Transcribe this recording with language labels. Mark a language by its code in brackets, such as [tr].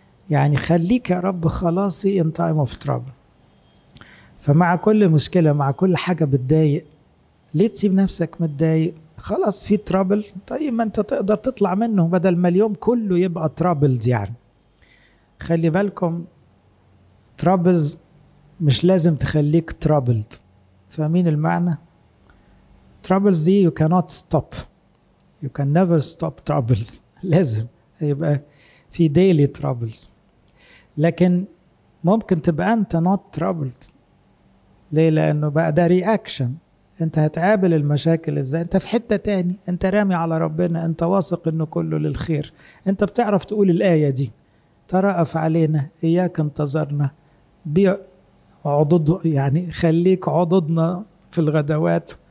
[ar] يعني خليك يا رب خلاصي [en] in time of trouble. [ar] فمع كل مشكلة، مع كل حاجة بتضايق، ليه تسيب نفسك متضايق؟ خلاص في trouble، طيب ما انت تقدر تطلع منه بدل ما اليوم كله يبقى troubled. يعني خلي بالكم، troubles مش لازم تخليك troubled. فاهمين المعنى؟ troubles دي [en] you cannot stop. You can never stop troubles. [ar] لازم يبقى في [en] daily troubles. [ar] لكن ممكن تبقى انت [en] not troubled. [ar] ليه؟ لانه بقى ده reaction. انت هتقابل المشاكل ازاي؟ انت في حتة تاني، انت رامي على ربنا، انت واثق انه كله للخير، انت بتعرف تقول الآية دي: ترأف علينا، اياك انتظرنا، بعضد، يعني خليك عضدنا في الغدوات.